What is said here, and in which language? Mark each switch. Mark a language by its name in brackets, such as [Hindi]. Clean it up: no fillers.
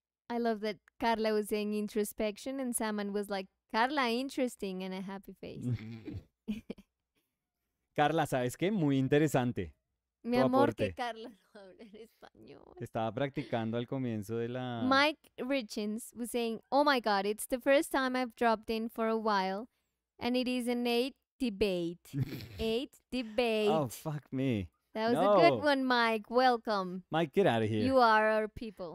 [English] I love that Carla was saying introspection and Salmon was like, Carla, interesting, and a happy face. [Spanish] Carla, ¿sabes qué? Muy interesante. Mi amor, que Carla no habla en español. Estaba practicando al comienzo de la... [English] Mike Richens was saying, oh my god, it's the first time I've dropped in for a while, and it is an 8 debate. 8 debate. Oh, fuck me. That was a good one, Mike. Welcome. Mike, get out of here. You are our people.